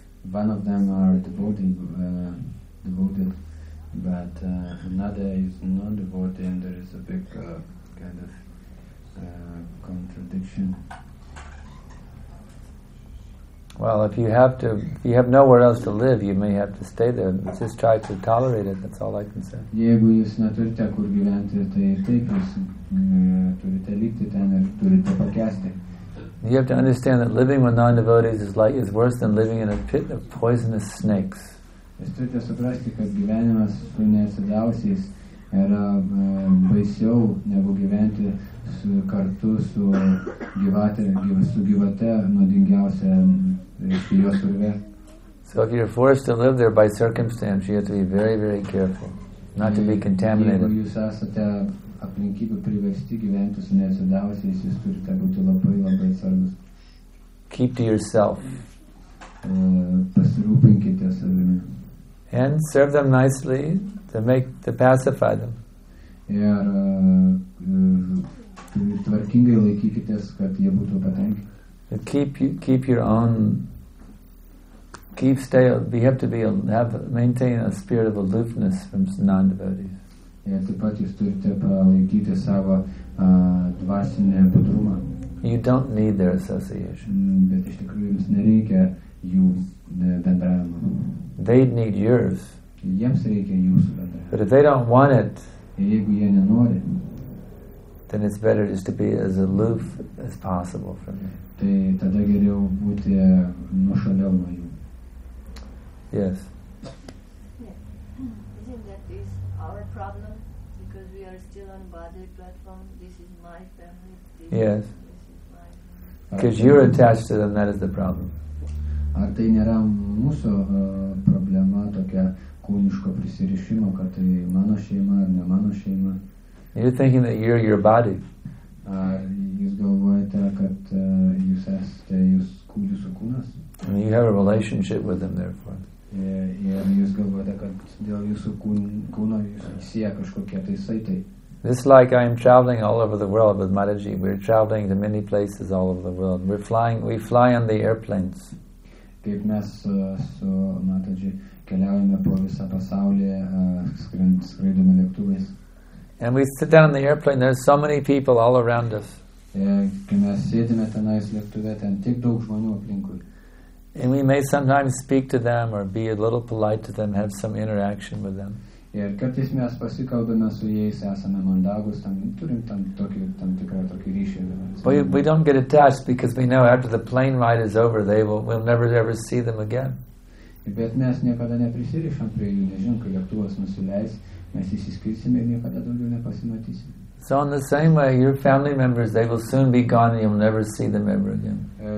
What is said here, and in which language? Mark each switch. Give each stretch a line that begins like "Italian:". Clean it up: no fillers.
English: One of them are devoted, but another is non-devoted, and there is a big kind of contradiction. Well, if you have nowhere else to live, you may have to stay there. Just try to tolerate it. That's all I can say.
Lithuanian: Jeigu jūs neturite kur gyventi, tai taip, jūs turite likti ten ir turite pakęsti.
English: You have to understand that living with non-devotees is worse than living in a pit of poisonous snakes.
Lithuanian: Jūs turite suprasti, kad gyvenimas su neatsidavusiais yra baisiau negu gyventi kartu su gyvate nuodingiausia jos urve.
English: So if you're forced to live there by circumstance, you have to be very, very careful not to be contaminated.
Lithuanian: Jeigu jūs esate aplinkybių priversti gyventi su neatsidavusiais, jūs turite būti labai, labai sargus.
English: Keep to yourself.
Lithuanian: Pasirūpinkite savimi.
English: And serve them nicely to pacify them.
Lithuanian: Ir tvarkingai laikykitės, kad jie būtų patenkinti.
English: Maintain a spirit of aloofness from non-devotees.
Lithuanian: Ir taip pat jūs turite palaikyti savo dvasinę budrumą.
English: You don't need their association.
Lithuanian: Bet iš tikrųjų jums nereikia jų bendravimo.
English: They need yours.
Lithuanian: Jiems reikia jūsų bendravimo.
English: But if they don't want it,
Lithuanian: jeigu jie nenori,
English: then it's better just to be as aloof as possible from them.
Lithuanian: Tai tada geriau būti nuošaliau nuo jų.
English: Yes. Isn't that this our problem? Because we are still on body platform. This is my family. Yes. Because you're attached to them, that is the problem.
Lithuanian: Ar tai nėra mūsų problema tokia kūniško prisirišimo, kad tai mano šeima ar ne mano šeima?
English: You're thinking that you're your body.
Lithuanian: Jūs galvojate, kad jūs esate jūsų kūnas?
English: And you have a relationship with them, therefore.
Lithuanian: Ir jūs galvojate, kad dėl jūsų kūno jūs sieja kažkokie tai saitai.
English: It's like I'm traveling all over the world with Mataji. We're traveling to many places all over the world. We fly on the airplanes.
Lithuanian: Kaip mes su Mataji keliaujame po visą pasaulį, skraidome lėktuvais.
English: And we sit down on the airplane, there's so many people all around us. And we may sometimes speak to them or be a little polite to them, have some interaction with them. But we don't get attached because we know after the plane ride is over, we'll never ever see them again.
Lithuanian: Bet mes niekada neprisirišam prie jų, nežinom, kai lėktuvas nusileis, mes įsiskirsime ir niekada daugiau nepasimatysime.
English: So in the same way, your family members, they will soon be gone and you'll never see them ever again.